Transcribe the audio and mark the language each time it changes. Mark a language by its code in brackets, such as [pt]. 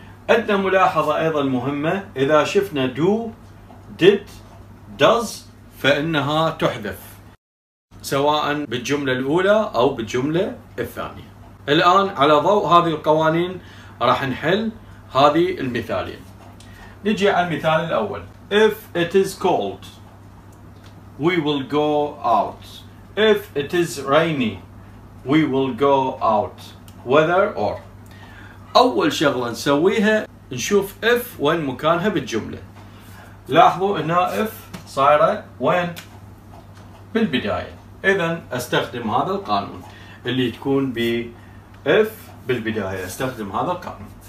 [ar] عندنا ملاحظة أيضا مهمة, إذا شفنا do, did, does فإنها تحذف سواء بالجملة الأولى أو بالجملة الثانية. الآن على ضوء هذه القوانين راح نحل هذه المثالين. نجي على المثال الأول. [en] If it is cold, we will go out. If it is rainy, we will go out. Whether or. [ar] أول شغلة نسويها نشوف if وين مكانها بالجملة. لاحظوا هنا if صايرة وين؟ بالبداية. إذن أستخدم هذا القانون اللي تكون بـ if بالبداية, أستخدم هذا القانون.